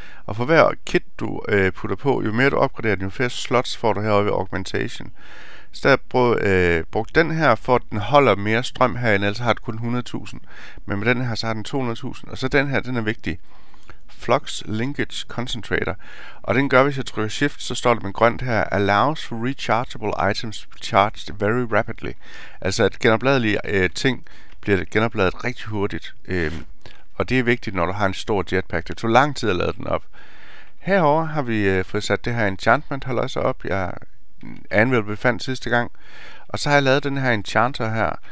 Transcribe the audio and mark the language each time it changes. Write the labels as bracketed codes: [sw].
[da] Og for hver kit, du putter på, jo mere du opgraderer den, jo flere slots får du heroppe i augmentation. Så jeg brugte den her, for at den holder mere strøm herinde, ellers har den kun 100.000. Men med den her, så har den 200.000. Og så den her, den er vigtig. Flux Linkage Concentrator. Og den gør, hvis jeg trykker Shift, så står det med grønt her. [en] Allows for rechargeable items charged very rapidly. [da] Altså, at genopladelige ting bliver genopladet rigtig hurtigt. Og det er vigtigt, når du har en stor jetpack. Det tog lang tid at lade den op. Herover har vi fået sat det her enchantment, hold også op. Anvil befandt sidste gang. Og så har jeg lavet den her enchanter her.